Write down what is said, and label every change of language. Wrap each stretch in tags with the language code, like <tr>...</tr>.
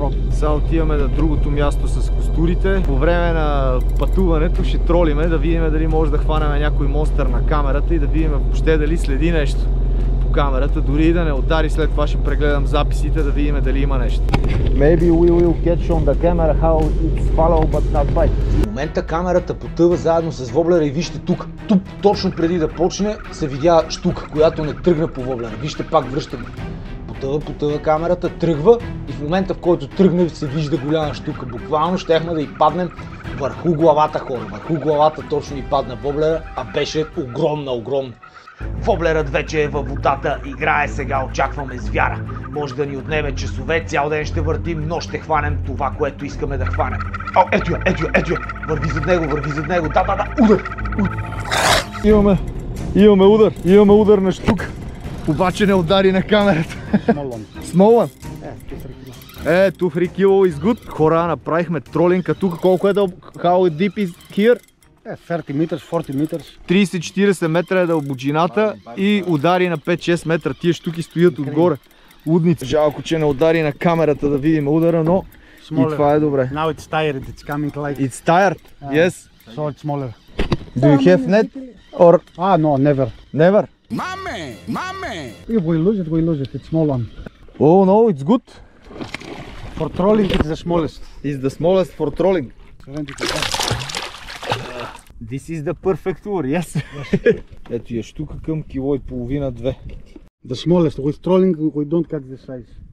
<bg>Сега отиваме на другото място с костурите. По време на пътуването ще тролиме да видим дали може да хванем някой монстър на камерата и да видим въобще дали следи нещо по камерата. Дори и да не удари, след това ще прегледам записите да видим дали има нещо.</bg> <en>Maybe we will catch on the camera how it's follow but not bite.</en> <bg>В момента камерата потъва заедно с воблера и вижте тук. Тук точно преди да почне се видя штука, която не тръгна по воблера. Вижте пак връщаме. Потъва камерата, тръгва и в момента в който тръгне се вижда голяма штука. Буквално щехме да и паднем върху главата, хора. Върху главата точно и падна воблера, а беше огромна. Воблерът вече е във водата, играе сега, очакваме звяра. може да ни отнеме часове, цял ден ще въртим, но ще хванем това, което искаме да хванем. О, ето я, ето я, ето я! Върви зад него, върви зад него! Да, да, да! Удар! Имаме удар! Имаме удар на штука! Обаче не удари на камерата. Смолан. Е, 2-3 кило</bg> <en>is good.</en> <bg>Хора, направихме тролинка тук. Колко е дълбока?</bg> <en>How deep is here?</en> <bg>30 метра, 40 метра. 30-40 метра е дълбочината и удари на 5-6 метра. Тия штуки стоят отгоре. Лудница. Жалко, че не удари на камерата да видим удара, но Smaller. И това е добре.</bg> <en>Now it's tired, it's coming like... It's tired, yes. So it's smaller. Do you have net or... Ah, no, never. Never? Mame! We lose it, it's small one. Oh no, it's good. For trolling it's the smallest. It's the smallest for trolling. 75. This is the perfect lure, yes?</en> <bg>Ето я штука към кило и половина, две.</bg> <en>The smallest, with trolling we don't cut the size.</en>